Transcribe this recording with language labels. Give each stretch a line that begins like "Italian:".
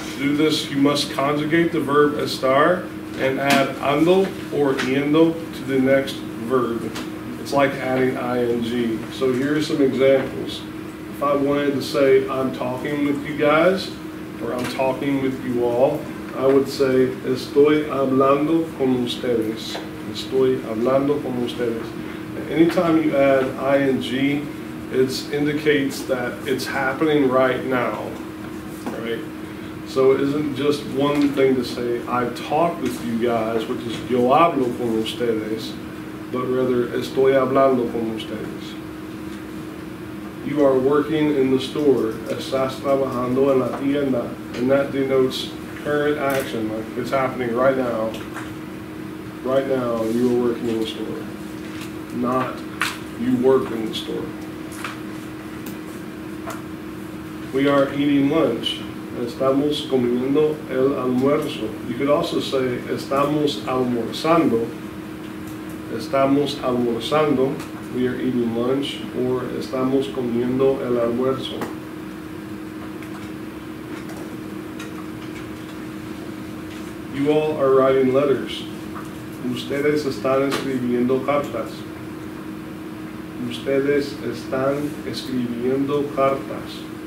English: To do this, you must conjugate the verb estar and add ando or yendo to the next verb. It's like adding ing. So here are some examples. If I wanted to say, I'm talking with you guys, or I'm talking with you all, I would say,
Spanish: estoy hablando con ustedes. Estoy hablando con ustedes.
English: Anytime you add ing, it indicates that it's happening right now, right? So it isn't just one thing to say, I talk with you guys, which is
Spanish: yo hablo con ustedes,
English: but rather,
Spanish: estoy hablando con ustedes.
English: You are working in the store.
Spanish: Estás trabajando en la tienda.
English: And that denotes current action. Like it's happening right now. Right now, you are working in the store. Not you work in the store. We are eating lunch.
Spanish: Estamos comiendo el almuerzo. You could also say, estamos almorzando. Estamos almorzando.
English: We are eating lunch, or
Spanish: estamos comiendo el almuerzo.
English: You all are writing letters.
Spanish: Ustedes están escribiendo cartas. Ustedes están escribiendo cartas.